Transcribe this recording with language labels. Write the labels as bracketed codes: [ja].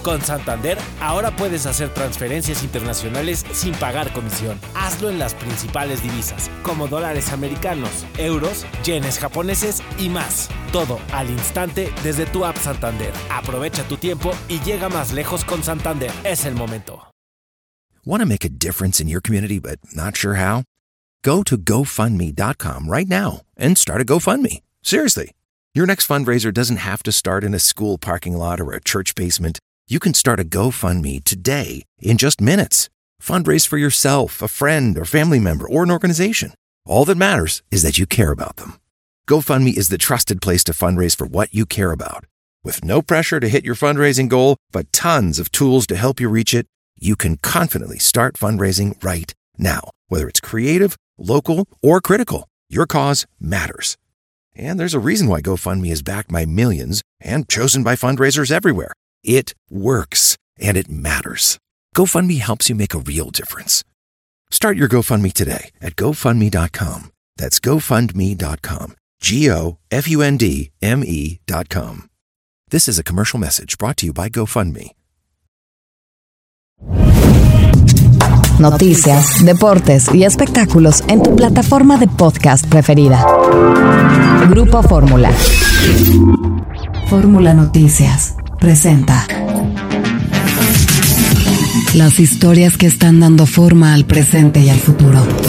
[es] Con Santander, ahora puedes hacer transferencias internacionales sin pagar comisión. Hazlo en las principales divisas, como dólares americanos, euros, yenes japoneses y más. Todo al instante desde tu app Santander. Aprovecha tu tiempo y llega más lejos con Santander. Es el momento. [en] Want to make a difference in your community, but not sure how? Go to GoFundMe.com right now and start a GoFundMe. Seriously. Your next fundraiser doesn't have to start in a school parking lot or a church basement. You can start a GoFundMe today in just minutes. Fundraise for yourself, a friend, or family member, or an organization. All that matters is that you care about them. GoFundMe is the trusted place to fundraise for what you care about. With no pressure to hit your fundraising goal, but tons of tools to help you reach it, you can confidently start fundraising right now. Whether it's creative, local, or critical, your cause matters. And there's a reason why GoFundMe is backed by millions and chosen by fundraisers everywhere. It works, and it matters. GoFundMe helps you make a real difference. Start your GoFundMe today at GoFundMe.com. That's GoFundMe.com. GoFundMe.com. This is a commercial message brought to you by GoFundMe. [es] Noticias, deportes y espectáculos en tu plataforma de podcast preferida. Grupo Fórmula. Fórmula Noticias presenta las historias que están dando forma al presente y al futuro.